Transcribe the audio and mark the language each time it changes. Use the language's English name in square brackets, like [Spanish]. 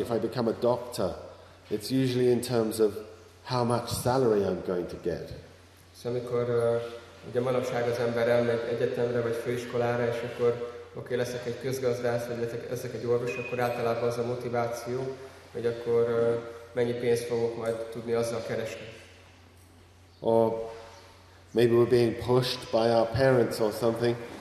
[English] If I become a doctor, it's usually in terms of how much salary I'm going to get. [Hungarian] So, amikor ugye manapság az ember elmegy egyetemre vagy főiskolára, és akkor oké, leszek egy közgazdász, vagy leszek egy orvos, akkor általában az a motiváció, hogy akkor mennyi pénzt fogok majd tudni azzal keresni. [English] Maybe we're being pushed by our parents or something.